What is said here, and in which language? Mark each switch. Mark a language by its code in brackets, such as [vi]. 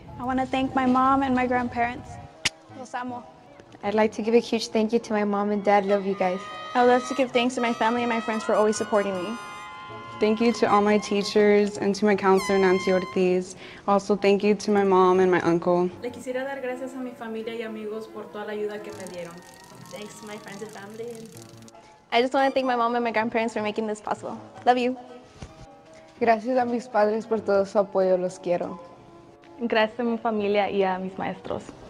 [en] I want to thank my mom and my grandparents. [es] Los amo. [en] I'd like to give a huge thank you to my mom and dad. Love you guys. I would love to give thanks to my family and my friends for always supporting me. Thank you to all my teachers and to my counselor, Nancy Ortiz. Also, thank you to my mom and my uncle. [es] Le quisiera dar gracias a mi familia y amigos por toda la ayuda que me dieron. [en] Thanks to my friends and family. I just want to thank my mom and my grandparents for making this possible. Love you. [es] Gracias a mis padres por todo su apoyo, los quiero. Gracias a mi familia y a mis maestros.